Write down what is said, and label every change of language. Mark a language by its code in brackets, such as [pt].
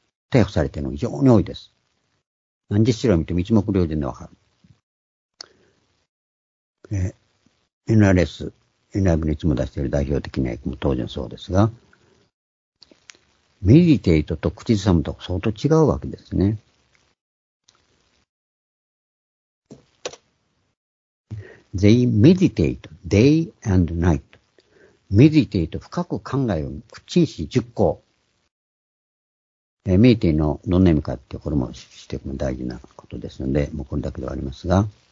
[ja] と訳されているのが非常に多いです。何十種類を見ても一目瞭然でわかる。 NRS、NIV のいつも出している代表的な訳も当然そうですが、メディテイトと口ずさむと相当違うわけですね。 [en] They meditate day and night. [ja] メディテイト、深く考えを口にし熟考。メイティのどんな意味かって、これも知っておくのが大事なことですので、もうこれだけではありますが、